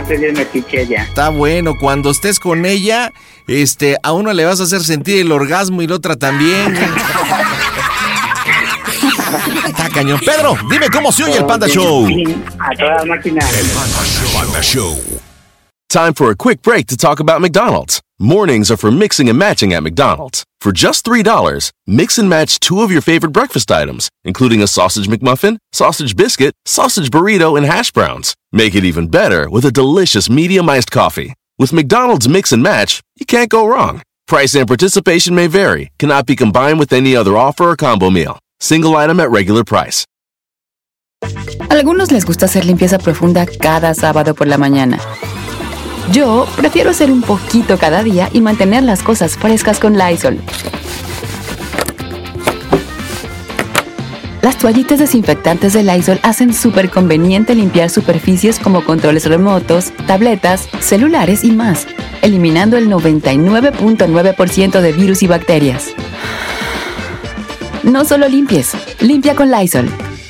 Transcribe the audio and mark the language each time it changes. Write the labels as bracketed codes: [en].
[es] está bueno, cuando estés con ella, a uno le vas a hacer sentir el orgasmo y la otra también. Está cañón. Pedro, dime cómo se oye el Panda Show. A toda la máquina. El Panda Show. [en] Time for a quick break to talk about McDonald's. Mornings are for mixing and matching at McDonald's. For just $3, mix and match two of your favorite breakfast items, including a sausage McMuffin, sausage biscuit, sausage burrito, and hash browns. Make it even better with a delicious medium iced coffee. With McDonald's mix and match, you can't go wrong. Price and participation may vary. Cannot be combined with any other offer or combo meal. Single item at regular price. [es] Algunos les gusta hacer limpieza profunda cada sábado por la mañana. Yo prefiero hacer un poquito cada día y mantener las cosas frescas con Lysol. Las toallitas desinfectantes de Lysol hacen súper conveniente limpiar superficies como controles remotos, tabletas, celulares y más, eliminando el 99.9% de virus y bacterias. No solo limpies, limpia con Lysol.